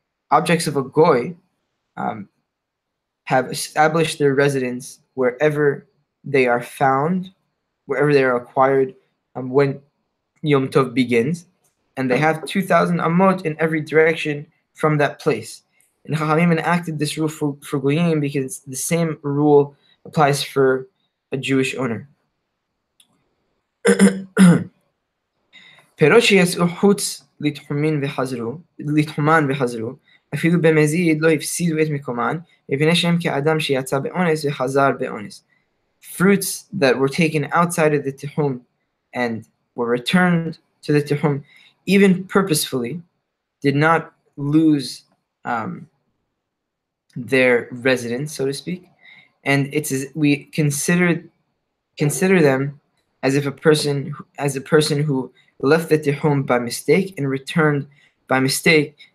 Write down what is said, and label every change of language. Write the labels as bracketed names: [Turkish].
[English] Objects of a goy have established their residence wherever they are found, wherever they are acquired, when Yom Tov begins, and they have 2,000 amot in every direction from that place. And Chachamim enacted this rule for Goyim because the same rule applies for a Jewish owner. [Hebrew] Perosh yetzu chutz litchuman v'chazru, אפילו במזיד לא הפסידו את מקומן, מפני שהם כאדם שיצא באונס וחזר באונס. [English] Fruits that were taken outside of the tehum and were returned to the tehum, even purposefully, did not lose their residence, so to speak. And we consider them as a person who left the tehum by mistake and returned by mistake.